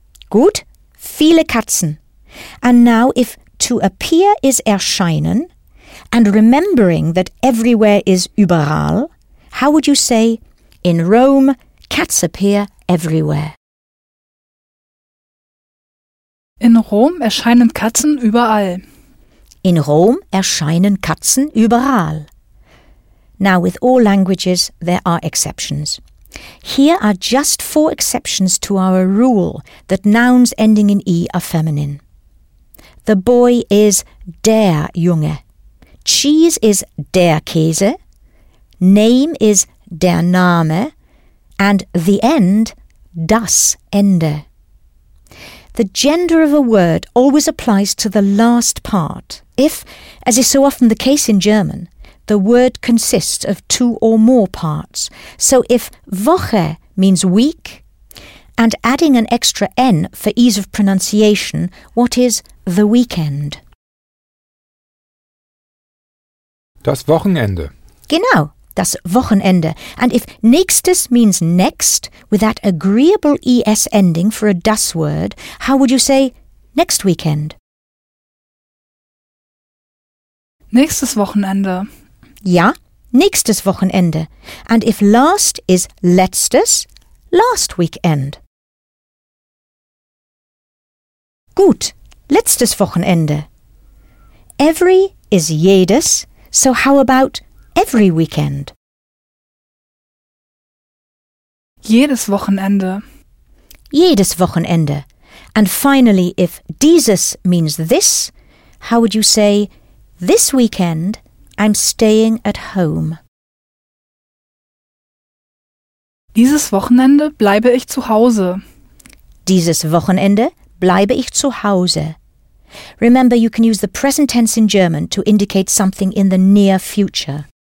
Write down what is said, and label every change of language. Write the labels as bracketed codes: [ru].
[de] Gut, viele Katzen. [en] And now if to appear is erscheinen, and remembering that everywhere is überall, how would you say, in Rome, cats appear everywhere? [de] In Rom erscheinen Katzen überall. In Rom erscheinen Katzen überall. [en] Now, with all languages, there are exceptions. Here are just four exceptions to our rule that nouns ending in E are feminine. The boy is der Junge. Cheese is der Käse. Name is der Name. And the end, das Ende. The gender of a word always applies to the last part. If, as is so often the case in German, the word consists of two or more parts. So if Woche means week, and adding an extra N for ease of pronunciation, what is the weekend? [de] Das Wochenende. Genau, das Wochenende. [en] And if nächstes means next, with that agreeable ES ending for a das word, how would you say next weekend? [de] Nächstes Wochenende. Ja, nächstes Wochenende. [en] And if last is letztes, last weekend. [de] Gut, letztes Wochenende. [en] Every is jedes, so how about every weekend? [de] Jedes Wochenende. Jedes Wochenende. [en] And finally, if dieses means this, how would you say, this weekend, I'm staying at home. [de] Dieses Wochenende bleibe ich zu Hause. Dieses Wochenende bleibe ich zu Hause. [en] Remember, you can use the present tense in German to indicate something in the near future.